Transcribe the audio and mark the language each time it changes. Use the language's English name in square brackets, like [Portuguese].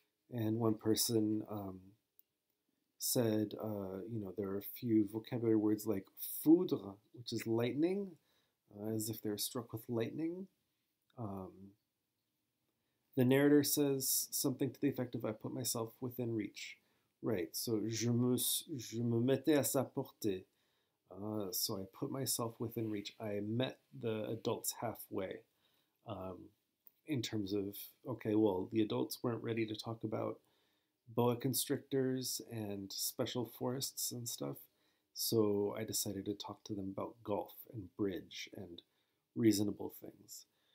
[English] And one person, said, there are a few vocabulary words like foudre, which is lightning, as if they're struck with lightning. The narrator says something to the effect of, I put myself within reach. Right, so [French] je me mettais à sa portée. [English] So I put myself within reach. I met the adults halfway, in terms of, okay, well, the adults weren't ready to talk about boa constrictors and special forests and stuff. So I decided to talk to them about golf and bridge and reasonable things.